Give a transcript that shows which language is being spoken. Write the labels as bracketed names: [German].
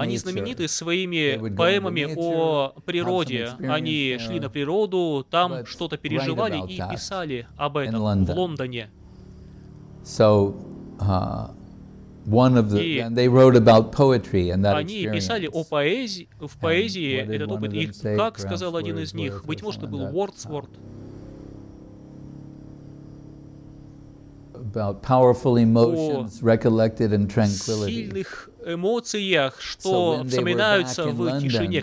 [Russian] Они знамениты своими поэмами о природе. Они шли на природу, там что-то переживали и писали об этом в Лондоне. [English] So, one of the, and they wrote about poetry and that experience. [Russian] Они писали о поэзии, в поэзии этот опыт. И как сказал один из них, быть может, это был Wordsworth. [English] About powerful emotions recollected in tranquility. [Russian] О сильных эмоциях, что вспоминаются в тишине.